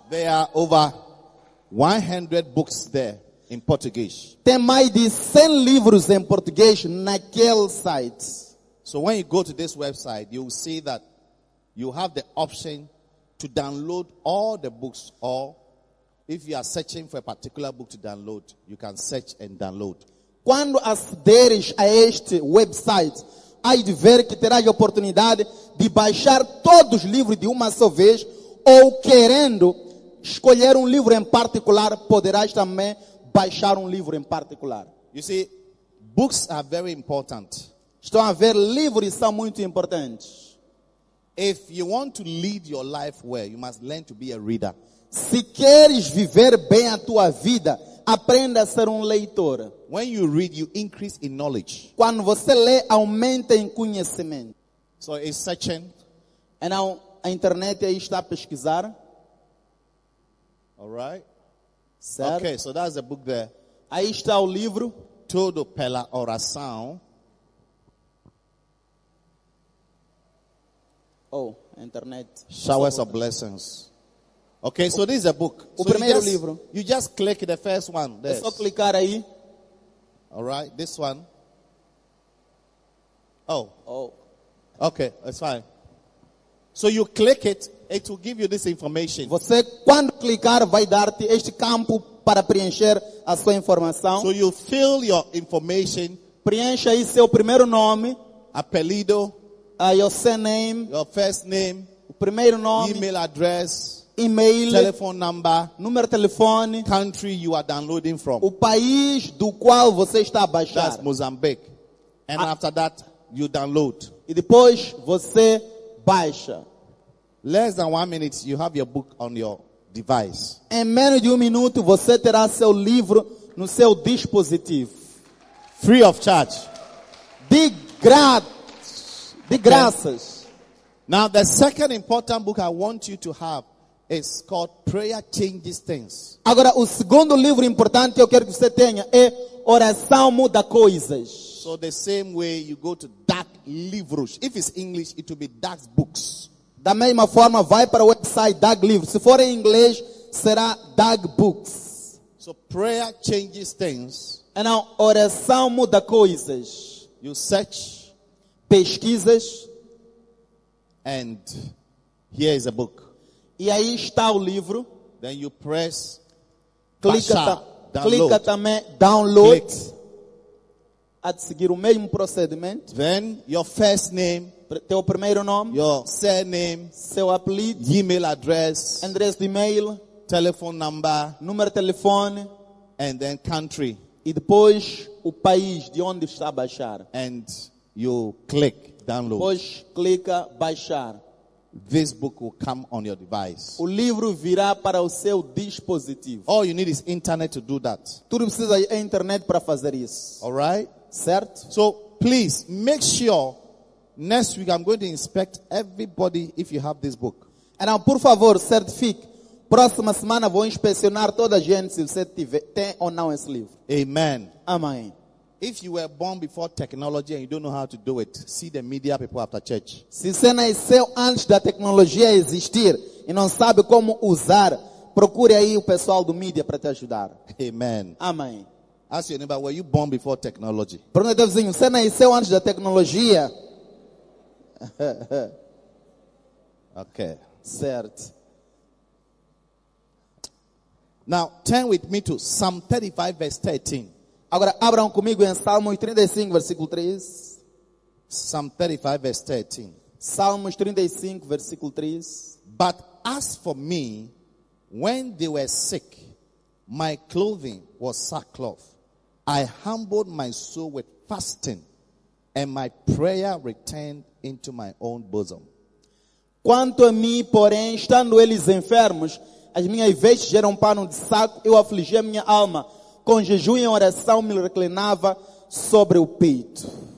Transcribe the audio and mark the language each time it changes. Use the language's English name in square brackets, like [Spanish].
[English] There are over 100 books there in Portuguese. [Portuguese] Tem mais de 100 livros em português naquele site. [English] So when you go to this website, you will see that you have the option to download all the books, or if you are searching for a particular book to download, you can search and download. [Portuguese] Quando acederes a este website, hás de ver que terás a oportunidade de baixar todos os livros de uma só vez, ou querendo escolher livro em particular, poderás também baixar livro em particular. [English] You see, books are very important. [Portuguese] Estão a ver, livros são muito importantes. [English] If you want to lead your life well, you must learn to be a reader. [Portuguese] Se queres viver bem a tua vida, aprenda a ser leitor. [English] When you read, you increase in knowledge. [Portuguese] Quando você lê, aumenta em conhecimento. [English] So it's searching. And now, [Portuguese] a internet aí está a pesquisar. [English] All right. [Portuguese] Certo? [English] Okay, so that's the book there. [Portuguese] Aí está o livro. Tudo pela oração. [English] Oh, internet. Showers of blessings. Okay, so this is a book. [Portuguese] O [English] so [Portuguese] primeiro [English] you just, [Portuguese] livro. [English] You just click the first one. [Portuguese] É só clicar aí. [English] All right, this one. Oh. Oh. Okay, it's fine. So you click it, it will give you this information. [Portuguese] Você, quando clicar, vai dar-te este campo para preencher a sua informação. [English] So you fill your information. [Portuguese] Preencha aí seu primeiro nome. Apelido. [English] Your surname. Your first name. [Portuguese] O primeiro nome. [English] Email address. [Portuguese] E-mail, [English] telephone number, [Portuguese] número de telefone, [English] country you are downloading from, [Portuguese] o país do qual você está a baixar. [English] That's Mozambique. And after that, you download. [Portuguese] E depois você baixa. [English] Less than 1 minute, you have your book on your device. [Portuguese] Em menos de 1 minuto, você terá seu livro no seu dispositivo. [English] Free of charge. [Portuguese] De graças. [English] Now the second important book I want you to have. It's called Prayer Changes Things. [Portuguese] Agora, o segundo livro importante que eu quero que você tenha é Oração Muda Coisas. [English] So the same way you go to Dark Livros. If it's English, it will be Dark Books. [Portuguese] Da mesma forma, vai para o website Dark Livros. Se for em inglês, será Dark Books. [English] So Prayer Changes Things. And now, Oração Muda Coisas. You search. [Portuguese] Pesquisas. [English] And here is a book. [Portuguese] E aí está o livro. [English] Then you press [Portuguese] clica também download. A seguir o mesmo procedimento. [English] Then your first name, [Portuguese] teu primeiro nome, [English] your surname, [Portuguese] seu apelido, [English] email address, [Portuguese] endereço de e-mail, [English] telephone number, [Portuguese] número de telefone, [English] and then country. [Portuguese] E depois o país de onde está a baixar. [English] And you click download. [Portuguese] Depois clica baixar. [English] This book will come on your device. [Portuguese] O livro virá para o seu dispositivo. [English] All you need is internet to do that. [Portuguese] Tudo precisa é internet para fazer isso. [English] All right? [Portuguese] Certo? [English] So, please, make sure next week I'm going to inspect everybody if you have this book. [Portuguese] Então, por favor, certifique. Próxima semana vou inspecionar toda a gente se você tiver, tem ou não esse livro. [English] Amen. [Portuguese] Amém. [English] If you were born before technology and you don't know how to do it, see the media people after church. [Portuguese] Se você nasceu antes da tecnologia existir e não sabe como usar, procure aí o pessoal do mídia para te ajudar. [English] Amen. [Portuguese] Amém. [English] Ask your neighbor, were you born before technology? [Portuguese] Pergunta ao teu vizinho, você nasceu antes da tecnologia? [English] Okay. [Portuguese] Certo. [English] Now, turn with me to Psalm 35, verse 13. [Portuguese] Agora abram comigo em Salmos 35, versículo 3. [English] Psalm 35, verse 13. [Portuguese] Salmos 35, versículo 3. [English] But as for me, when they were sick, my clothing was sackcloth. I humbled my soul with fasting, and my prayer returned into my own bosom. [Portuguese] Quanto a mim, porém, estando eles enfermos, as minhas vestes eram pano de saco, eu afligia minha alma. Com jejum e oração me reclinava sobre o peito.